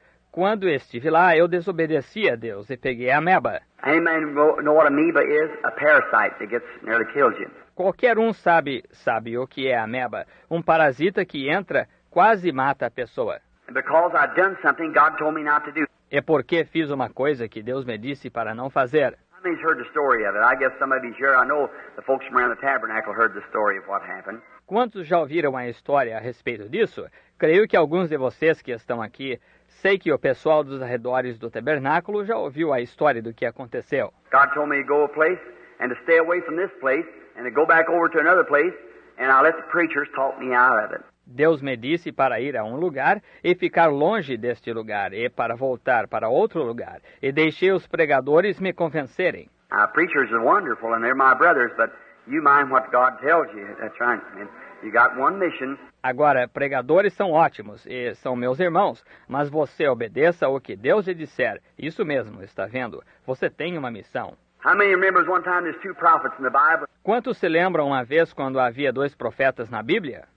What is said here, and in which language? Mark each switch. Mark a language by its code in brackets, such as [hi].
[pt] Quando estive lá, eu desobedeci a Deus e peguei a ameba. [en] Anybody know what amoeba is? A parasite that gets nearly kills you. [pt] Qualquer um sabe o que é a ameba. Um parasita que entra, quase mata a pessoa. [en] And because I've done something God told me not to do. [pt] É porque fiz uma coisa que Deus me disse para não fazer. [en] Somebody's heard the story of it. I guess somebody's here. I know the folks from around the tabernacle heard the story of what happened. [pt] Quantos já ouviram a história a respeito disso? Creio que alguns de vocês que estão aqui, sei que o pessoal dos arredores do tabernáculo já ouviu a história do que aconteceu. [en] God told me to go a place and to stay away from this place and to go back over to another place and I let the preachers talk me out of it. [pt] Deus me disse para ir a um lugar e ficar longe deste lugar e para voltar para outro lugar e deixei os pregadores me convencerem. [en] Preachers are wonderful and they're my brothers, but you mind what God tells you. That's right. And you got one mission. [pt] Agora, pregadores são ótimos e são meus irmãos, mas você obedeça o que Deus lhe disser. Isso mesmo, está vendo? Você tem uma missão. [en] How many remembers one time there's two prophets in the Bible? [pt] Quantos se lembram uma vez quando havia dois profetas na Bíblia?